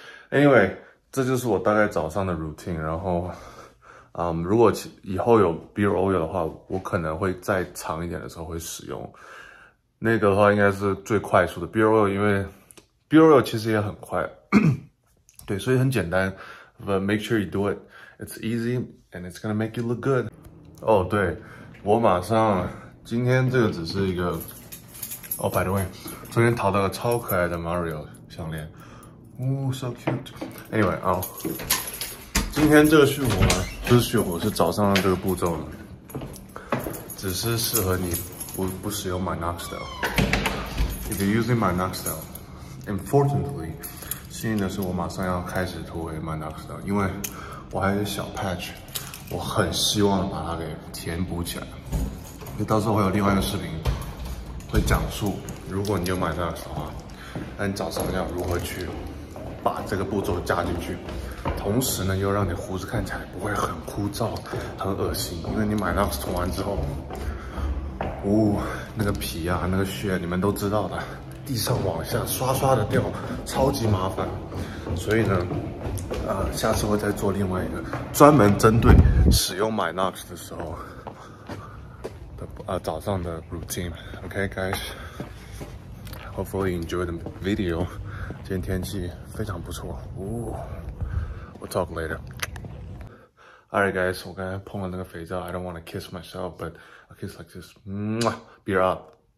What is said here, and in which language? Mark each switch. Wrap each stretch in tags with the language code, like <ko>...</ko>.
<en>Anyway，</en> <zh>这就是我大概早上的 routine。然后，如果以后有 beard oil 的话，我可能会再长一点的时候会使用。那个的话应该是最快速的 beard oil，因为 beard oil 其实也很快，对，所以很简单。</zh> <en>But make sure you do it. It's easy and it's gonna make you look good.</en> <zh>哦，对，我马上今天这个只是一个。</zh> <en>Oh, by the way，</en> <zh>昨天淘到个超可爱的 Mario 项链。</zh> <en>Oh, so cute. Anyway,</en> <zh>今天这个续活呢，不是续活，是早上的这个步骤呢，只是适合你不使用 Minoxidil.</zh> <en>If you're using Minoxidil, unfortunately.</en> <zh>幸运的是，我马上要开始涂维曼达克斯的，因为我还有小 patch，我很希望把它给填补起来。就到时候会有另外一个视频，会讲述如果你有曼达克斯的话，那你早上要如何去把这个步骤加进去，同时呢又让你胡子看起来不会很枯燥、很恶心，因为你曼达克斯涂完之后，那个皮啊、那个屑，你们都知道的。地上往下刷刷的掉，超级麻烦，所以呢，下次会再做另外一个专门针对使用 Minox 的时候的早上的 routine。</zh> <en>Okay, guys, hopefully you enjoy the video.</en> <zh>今天天气非常不错。</zh> <en>We'll talk later. All right, guys,</en> <zh>我刚才碰了那个肥皂，</zh> <en>I don't want to kiss myself, but a kiss like this, beer up.</en>